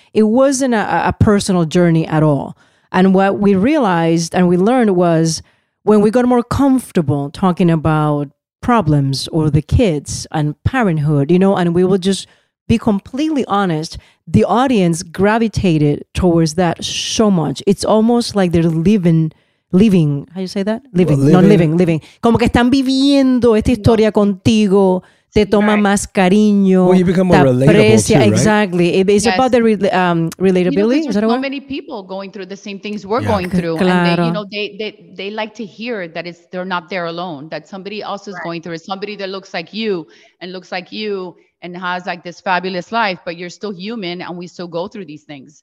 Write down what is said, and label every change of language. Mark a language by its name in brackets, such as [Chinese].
[English] It wasn't a personal journey at all. And what we realized and we learned was when we got more comfortable talking about problems or the kids and parenthood, you know, and we would just be completely honest, the audience gravitated towards that so much. It's almost like they're living, how you say that? Living. [Spanish] Como que están viviendo esta historia contigo, te toma más cariño. [English] Well, you become more relatable too, right? Exactly. It's about the relatability. You know, there's so many people going through the same things we're going through. [Spanish] Claro. [English] And they like to hear that they're not there alone, that somebody else is going through it. Somebody that looks like you and and has like this fabulous life, but you're still human and we still go through these things.